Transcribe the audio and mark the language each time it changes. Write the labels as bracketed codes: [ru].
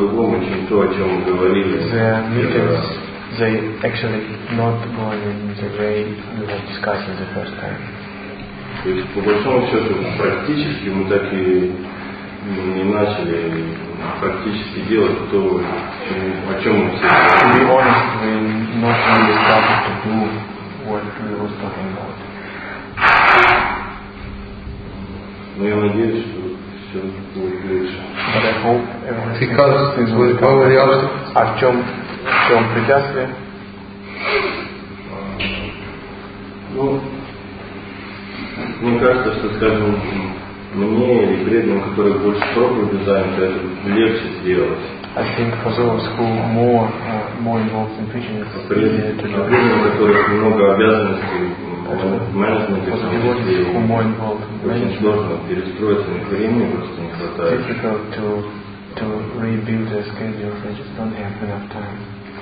[en] The meetings, they actually not going in the way we were discussing the first time. [ru] Мы не начали практически делать то, о чем мы все. [en] To be honest, we not really started to do what we were talking about. [ru] Но я надеюсь, что все будет лучше. [en] But I hope everything. Because things will probably also. [ru] О чем препятствие? Ну, мне кажется, что, скажем. Мне или преданным, которые больше проповеди заняты, это легче сделать. [en] I think for those who more involved in preaching, it's easier to do. [ru] Преданным, у которых много обязанностей в менеджменте, очень сложно перестроиться, времени просто не хватает. [en] It's difficult to rebuild the schedule, they just don't have enough time.